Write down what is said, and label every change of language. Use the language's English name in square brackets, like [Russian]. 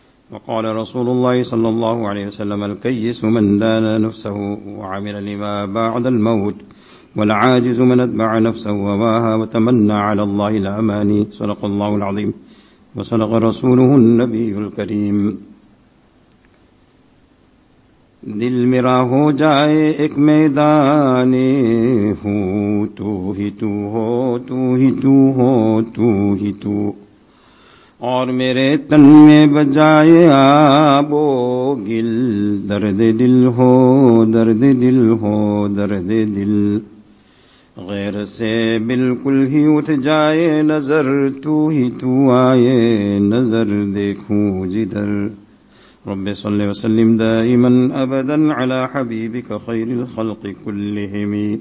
[Arabic] وقال رسول الله صلى الله عليه وسلم: الكيس من دان نفسه وعمل لما بعد الموت، والعاجز من اتبع نفسه وواها وتمنى على الله الأماني. صدق الله العظيم وصدق رسوله النبي الكريم. [Urdu] دل میرا ہو جائے ایک میدان، ہوں تو ہی تو ہو، تو ہی تو ہو، تو ہی تو، اور میرے تن میں بجائے آب و گل، درد دل ہو، درد دل ہو، درد دل، غیر سے بالکل ہی اٹھ جائے نظر، تو ہی تو آئے نظر دیکھوں جدھر. [Arabic] رب صلی وسلم دائما ابدا على حبيبك خير الخلق كلهم.